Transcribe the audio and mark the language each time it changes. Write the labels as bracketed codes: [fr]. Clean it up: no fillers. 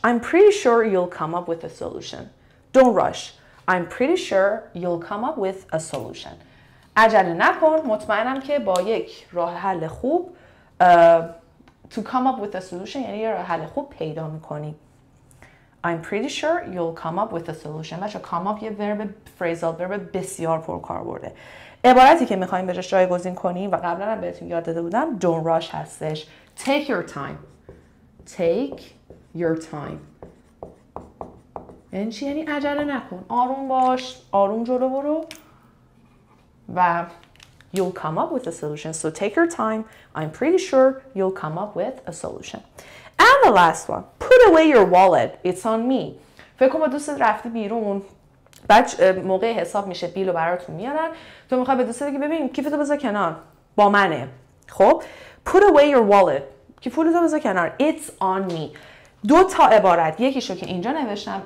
[en] I'm pretty sure you'll come up with a solution. Don't rush. I'm pretty sure you'll come up with a solution. [fa] عجله نکن. مطمئنم که با یک راه حل خوب [en] to come up with a solution [fa] یعنی راه حل خوب پیدا می‌کنی. [en] I'm pretty sure you'll come up with a solution. [fa] بچه‌ها [en] come up [fa] یه verb phrasal verb بسیار پرکاربرده. عبارتی که می‌خوایم بهش جایگزین کنیم و قبلا هم بهتون یاد داده بودم [en] don't rush [fa] هستش. [en] Take your time. Take your time. [fa] یعنی چی؟ یعنی عجله نکن. آروم باش. آروم جلو برو. و [en] you'll come up with a solution. So take your time. I'm pretty sure you'll come up with a solution. And the last one. Put away your wallet. It's on me. [fa] فکر کنم دوستت رفته بیرون. بچ موقع حساب میشه بیلو براتون میارن. تو میخوای به دوستت که ببین کیفتو بذار کنار. با منه. خب. [en] Put away your wallet. [fa] که پول رو بذار کنار. [en] It's on me. [fa] دو تا عبارت. یکیشو که اینجا نوشتم.